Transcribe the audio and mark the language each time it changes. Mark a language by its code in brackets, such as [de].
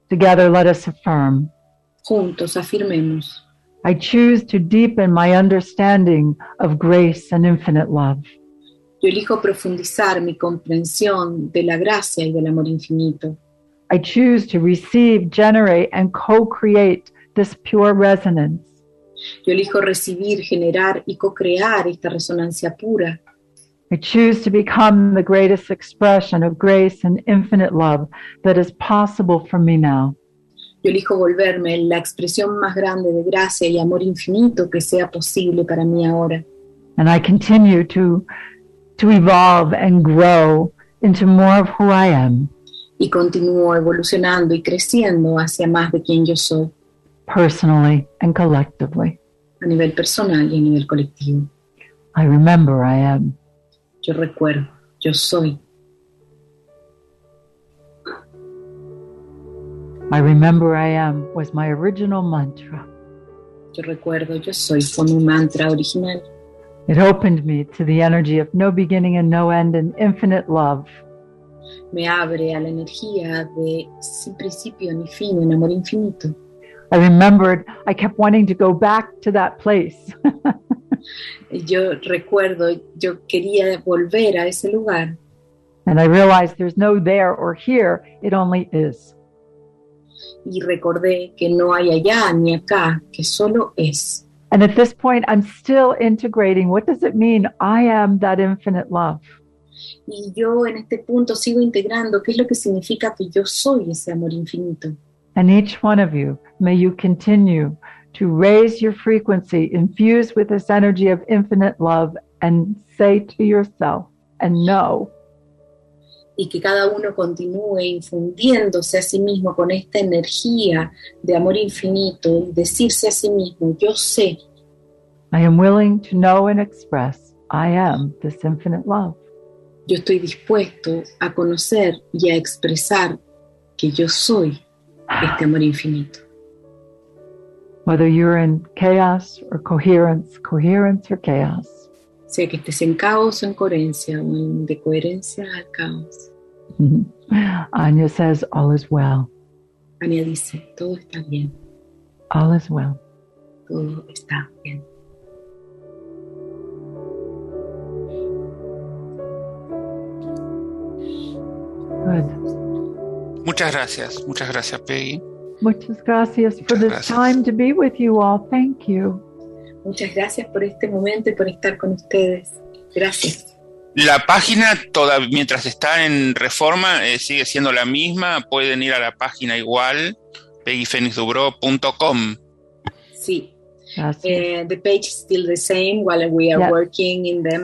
[en] Together, let us affirm. [es] Juntos afirmemos. [en] I choose to deepen my understanding of grace and infinite love. [es] Yo elijo profundizar mi comprensión de la gracia y del amor infinito. [en] I choose to receive, generate, and co-create this pure resonance. [es] Yo elijo recibir, generar y co-crear esta resonancia pura. [en] I choose to become the greatest expression of grace and infinite love that is possible for me now. [es] Yo elijo volverme la expresión más grande de gracia y amor infinito que sea posible para mí ahora. [en] And I continue to evolve and grow into more of who I am. [es] Y continúo evolucionando y creciendo hacia más de quien yo soy. [en] Personally and collectively. [es] A nivel personal y a nivel colectivo. [en] I remember I am. [es] Yo recuerdo, yo soy. [en] I remember I am was my original mantra. [es] Yo recuerdo, yo soy, fue mi mantra original. [en] It opened me to the energy of no beginning and no end and infinite love. [es] Me abre a la energía de sin principio ni fin, un amor infinito. [en] I remembered I kept wanting to go back to that place. [es] Yo recuerdo, yo quería volver a ese lugar. [en] And I realized there's no there or here, it only is. [es] Y recordé que no hay allá ni acá, que solo es. [en] And at this point, I'm still integrating. What does it mean? I am that infinite love. [es] Y yo en este punto sigo integrando qué es lo que significa que yo soy ese amor infinito. [en] And each one of you, may you continue to raise your frequency, infuse with this energy of infinite love, and say to yourself, and know. [es] Y que cada uno continúe infundiéndose a sí mismo con esta energía de amor infinito, y decirse a sí mismo, yo sé. [en] I am willing to know and express, I am this infinite love. [es] Yo estoy dispuesto a conocer y a expresar que yo soy este amor infinito. [en] Whether you're in chaos or coherence, coherence or chaos. [es] Sea que estés en caos o en coherencia, o en de coherencia al caos. [en] Anya says, all is well. [es] Anya dice, todo está bien. [en] All is well. [es] Todo está bien. Good. Muchas gracias, Peggy. Muchas gracias por [en] this gracias. Time to be with you all. Thank you. [es] Muchas gracias por este momento y por estar con ustedes. Gracias. La página, toda, mientras está en reforma, sigue siendo la misma. Pueden ir a la página igual, peggyfenixdubrow.com. Sí. [en] The page is still the same while we are working in them.